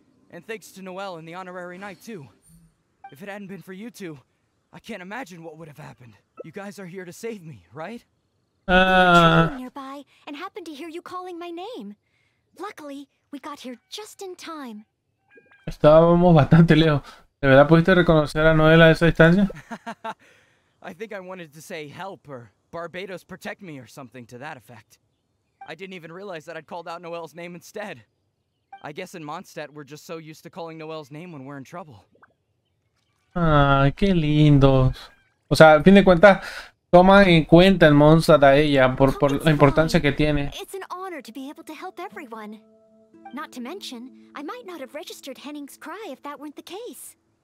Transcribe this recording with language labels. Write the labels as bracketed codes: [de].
[en] And thanks to Noelle and the honorary knight too. If it hadn't been for you two, I can't imagine what would have happened. You guys are here to save me, right? Ah. Nearby, and happened to hear you calling my name. Luckily, We got here just in time. [es] Estábamos bastante lejos. ¿De verdad pudiste reconocer a Noel a esa distancia? [en] I think I wanted to say help or Barbados protect me or something to that effect. I didn't even realize that I'd called out Noel's name instead. I guess in Mondstadt we're just so used to calling Noel's name when we're in trouble. [es] Ay, qué lindos. O sea, al fin de cuentas, toma en cuenta el monstruo de ella por la importancia que tiene. [en] It's an honor to be able to help everyone. Not to mention, I might not have registered Henning's cry if that weren't the case.